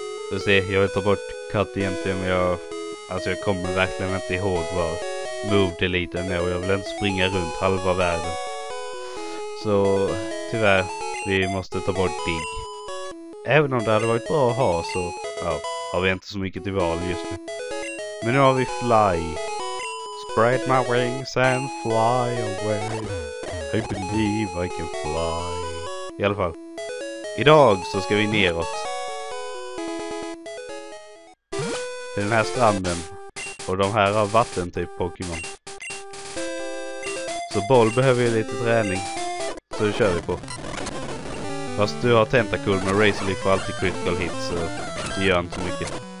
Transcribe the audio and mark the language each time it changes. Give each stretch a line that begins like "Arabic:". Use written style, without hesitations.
Swedish: Du ser, jag vill ta bort cut egentligen, men jag... Alltså jag kommer verkligen inte ihåg vad move delete är, och jag vill inte springa runt halva världen. Så tyvärr, vi måste ta bort dig. Även om det hade varit bra att ha, så ja, har vi inte så mycket till val just nu. Men nu har vi fly.
English: Spread my wings and fly away. I believe I can fly.
Swedish: I alla fall, idag så ska vi neråt till den här stranden och de här har vatten typ Pokémon. Så boll behöver ju lite träning. Så det kör vi på. Fast du har Tentacool med Razor Leaf och alltid critical hits, så det gör inte så mycket.